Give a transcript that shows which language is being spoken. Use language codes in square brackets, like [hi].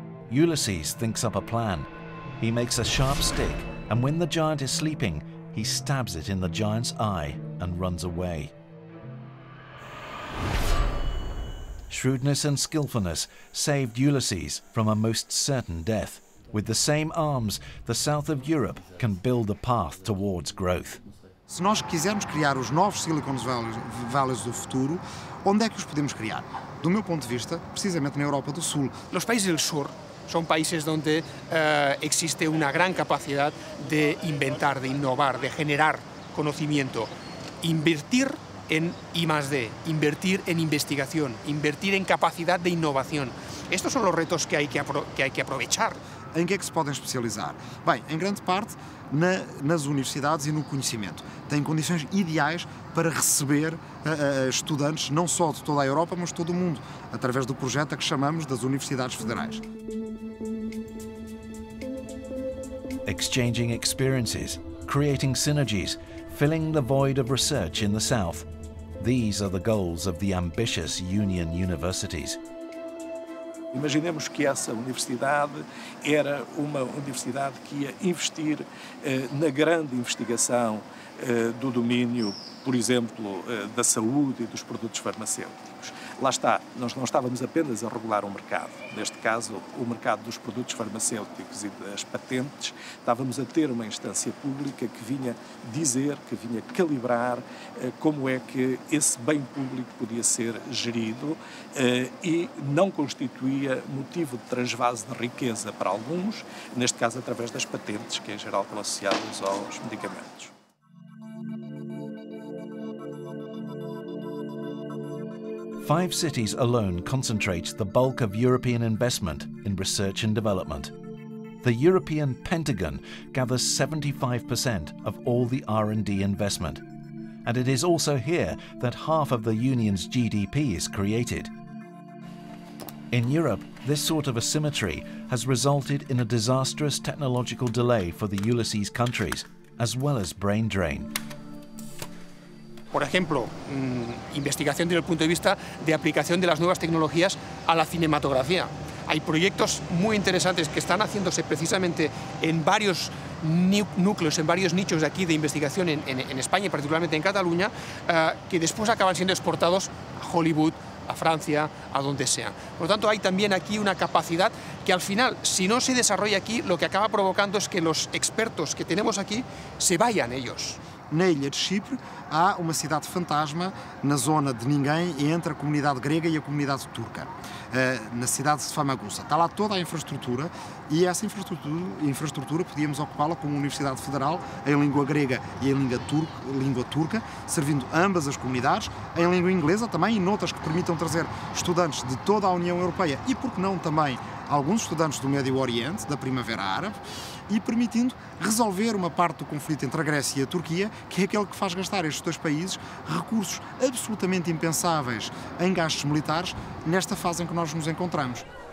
[en] Ulysses thinks up a plan. He makes a sharp stick, and when the giant is sleeping, he stabs it in the giant's eye and runs away. Shrewdness and skillfulness saved Ulysses from a most certain death. With the same arms, the south of Europe can build a path towards growth. [pt] Se nós quisermos criar os novos Silicon Valleys do futuro, onde é que os podemos criar? Do meu ponto de vista, precisamente na Europa do Sul. [es] Los países del sur son países donde existe una gran capacidad de inventar, de innovar, de generar conocimiento. Invertir en I+D, invertir en investigación, invertir en capacidad de innovación. Estos son los retos que hay que, aprovechar. ¿En qué se pueden especializar? Bien, en gran parte, [pt] nas universidades e no conhecimento. Têm condições ideais para receber estudantes não só de toda a Europa, mas de todo o mundo, através do projeto a que chamamos das universidades federais. [en] Exchanging experiences, creating synergies, filling the void of research in the South. These are the goals of the ambitious Union Universities. [pt] Imaginemos que essa universidade era uma universidade que ia investir na grande investigação do domínio, por exemplo, da saúde e dos produtos farmacêuticos. Lá está, nós não estávamos apenas a regular um mercado. Neste caso, o mercado dos produtos farmacêuticos e das patentes, estávamos a ter uma instância pública que vinha dizer, que vinha calibrar como é que esse bem público podia ser gerido e não constituía motivo de transvase de riqueza para alguns, neste caso através das patentes, que em geral estão associadas aos medicamentos. [en] Five cities alone concentrate the bulk of European investment in research and development. the European Pentagon gathers 75% of all the R&D investment. And it is also here that half of the Union's GDP is created. In Europe, this sort of asymmetry has resulted in a disastrous technological delay for the ULYSSES countries, as well as brain drain. [es] Por ejemplo, investigación desde el punto de vista de aplicación de las nuevas tecnologías a la cinematografía. Hay proyectos muy interesantes que están haciéndose precisamente en varios núcleos, en varios nichos de aquí de investigación en España, particularmente en Cataluña, que después acaban siendo exportados a Hollywood, a Francia, a donde sea. Por lo tanto, hay también aquí una capacidad que al final, si no se desarrolla aquí, lo que acaba provocando es que los expertos que tenemos aquí se vayan ellos. [pt] Na ilha de Chipre, há uma cidade fantasma na zona de ninguém entre a comunidade grega e a comunidade turca, na cidade de Famagusa. Está lá toda a infraestrutura e essa infraestrutura podíamos ocupá-la como universidade federal em língua grega e em língua turca, servindo ambas as comunidades, em língua inglesa também e noutras que permitam trazer estudantes de toda a União Europeia e, por que não, também alguns estudantes do Médio Oriente, da Primavera Árabe, e permitindo resolver uma parte do conflito entre a Grécia e a Turquia, que é aquele que faz gastar estes dois países recursos absolutamente impensáveis em gastos militares nesta fase em que nós nos encontramos.